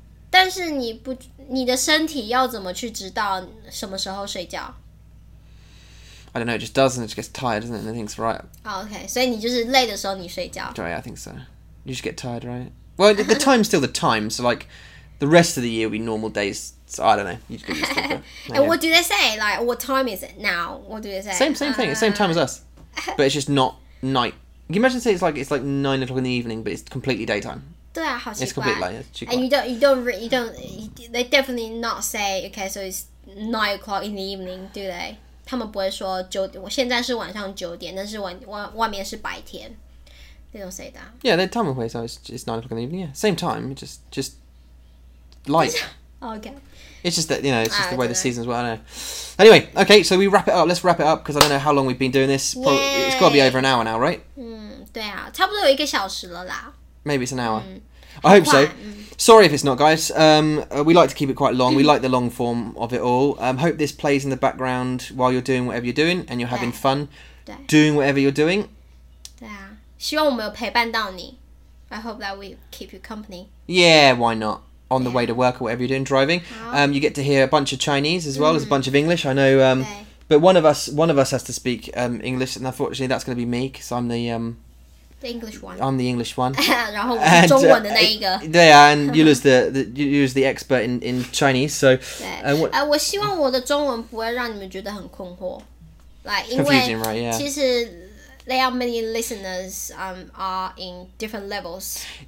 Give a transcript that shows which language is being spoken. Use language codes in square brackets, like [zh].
[zh] 但是你的身体要怎么去知道什么时候睡觉? [en] I don't know, it just doesn't, it just gets tired, doesn't it? And things right. Oh, okay. So you just lay the song, you shake out. Right, I think so. You just get tired, right? Well, the time's still the time, so like the rest of the year will be normal days. So I don't know. You just get used to it. And what do they say? Like, what time is it now? What do they say? Same thing, same time as us. But it's just not night. Can you imagine say it's like 9 o'clock in the evening, but it's completely daytime? [zh] 对啊, [en] it's completely light. And you don't, they definitely not say, okay, so it's 9 o'clock in the evening, do they? [zh] 他们不会说现在是晚上九点，但是外面是白天. [en] They don't say that. Yeah, they [zh] 他们会, [en] so it's 9 o'clock in the evening. Yeah, same time, just light. Okay. It's just that, you know, it's just the way the seasons work. I don't know. Anyway, okay, so we wrap it up. Let's wrap it up because I don't know how long we've been doing this. Probably, it's got to be over an hour now, right? [zh] 对啊，差不多有一个小时了啦. [en] Maybe it's an hour. I hope so. Sorry if it's not, guys. We like to keep it quite long. We like the long form of it all. Hope this plays in the background while you're doing whatever you're doing and you're having fun doing whatever you're doing. [zh] 对啊，希望我们有陪伴到你. [en] I hope that we keep you company. Yeah, why not? On the way to work or whatever you're doing, driving. You get to hear a bunch of Chinese as well as a bunch of English. I know, but one of us has to speak English, and unfortunately that's going to be me because I'm the... The English one. [zh] 然后我是中文的那一个。对啊, [en] and Yula's the expert in Chinese, so... [zh] 我希望我的中文不会让你们觉得很困惑. [en] Confusing, right, yeah. There are many listeners are in different levels.